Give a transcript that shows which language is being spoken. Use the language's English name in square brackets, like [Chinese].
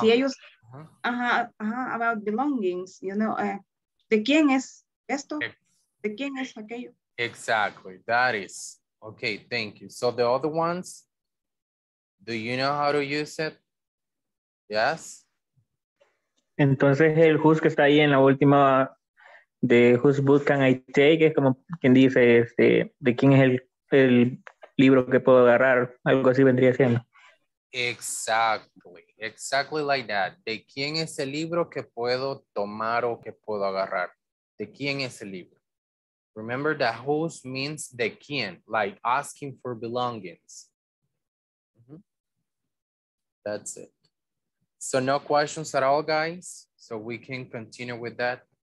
[Spanish] Si ellos, [English] about belongings, you know, [Spanish] de quién es esto? De quién es aquello? [English] Exactly, that is. Okay, thank you. So the other ones, do you know how to use it? Yes? [Spanish] Entonces el whose que está ahí en la última, de whose book can I take, es como quien dice, de quién es el libro que puedo agarrar, algo así vendría siendo. [English] Exactly, exactly like that. [Spanish] ¿De quién es el libro que puedo tomar o que puedo agarrar? ¿De quién es el libro? [English] Remember that whose means [Spanish] de quién, [English] like asking for belongings. Mm-hmm. That's it. So no questions at all, guys. So we can continue with that.